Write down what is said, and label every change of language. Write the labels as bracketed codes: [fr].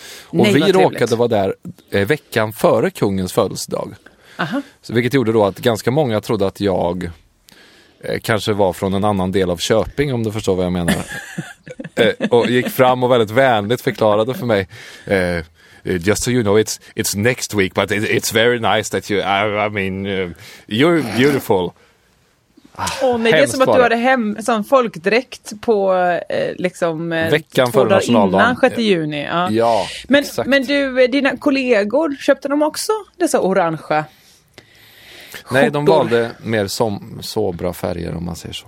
[sv] Och nej, vi råkade vara där veckan före kungens födelsedag. Aha. Så, vilket gjorde då att ganska många trodde att jag kanske var från en annan del av Köping, om du förstår vad jag menar. Och gick fram och väldigt vänligt förklarade för mig. [en] Just so you know, it's next week, but it's very nice that you, I mean, you're beautiful. [sv] Nej, det är som att du hade hem som folkdräkt på veckan för nationaldagen 6 juni. Ja. Ja, men exakt. Men du, dina kollegor, köpte de också dessa orange skjortor? Nej, de valde mer som sobra färger, om man säger så.